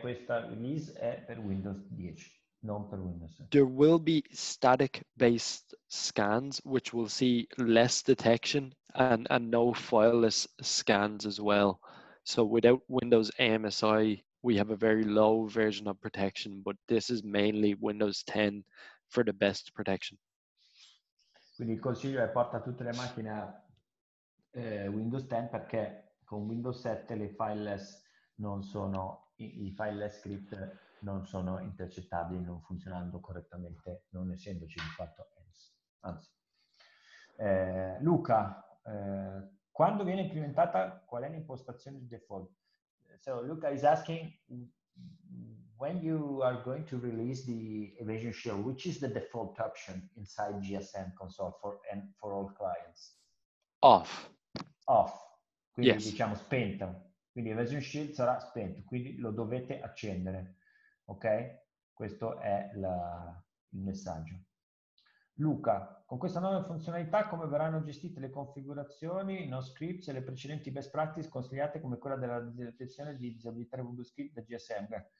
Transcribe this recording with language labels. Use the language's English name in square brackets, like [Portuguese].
[Italian] Questa release è per Windows 10, non per Windows 7. [English] There will be static-based scans, which will see less detection and no fileless scans as well. So without Windows AMSI, we have a very low version of protection, but this is mainly Windows 10 for the best protection. [Italian] Quindi il consiglio è porta tutte le macchine a Windows 10 perché con Windows 7 le fileless non sono, i fileless script non sono intercettabili, non funzionando correttamente, non essendoci di fatto anzi. Luca, quando viene implementata, qual è l'impostazione di default? [English] So Luca is asking when you are going to release the Evasion Shield, which is the default option inside GSM console for and for all clients? Off. [Italian] Off. Quindi [English] yes. [Italian] Diciamo spento. Quindi Evasion Shield sarà spento, quindi lo dovete accendere. Ok? Questo è il messaggio. Luca, con questa nuova funzionalità come verranno gestite le configurazioni, no scripts e le precedenti best practice consigliate come quella della detezione di disabilitare Windows script da GSM?